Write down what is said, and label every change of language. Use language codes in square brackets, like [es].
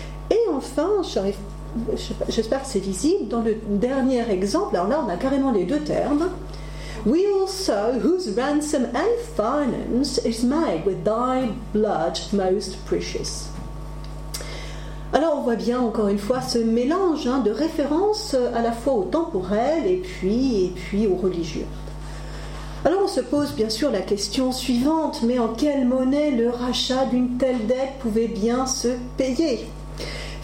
[fr] Et enfin, j'espère que c'est visible, dans le dernier exemple, alors là on a carrément les deux termes. [en] We also, whose ransom and finance is made with thy blood most precious. [fr] Alors on voit bien encore une fois ce mélange hein, de références à la fois au temporel et puis au religieux. Alors on se pose bien sûr la question suivante, mais en quelle monnaie le rachat d'une telle dette pouvait bien se payer ?